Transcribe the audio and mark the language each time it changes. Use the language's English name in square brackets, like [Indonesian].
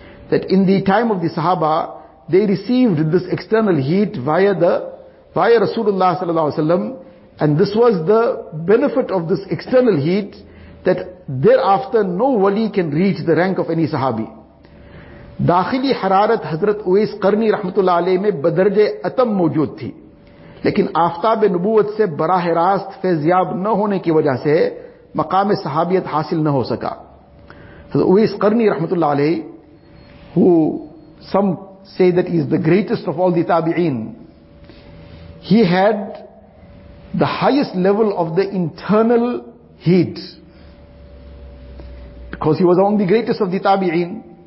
[English] That in the time of the sahaba they received this external heat via Rasulullah sallallahu alaihi wasallam, and this was the benefit of this external heat that thereafter no wali can reach the rank of any sahabi. [Urdu] داخلی حرارت حضرت اویس قرنی رحمت اللہ علیہ میں بدرج اتم موجود تھی لیکن آفتاب نبوت سے براہ راست فیضیاب نہ ہونے کی وجہ سے مقام صحابیت حاصل نہ ہو سکا. [English] حضرت Owais Qarni رحمت اللہ علیہ, who some say that he is the greatest of all the tabi'een, he had the highest level of the internal heat because he was among the greatest of the tabi'een.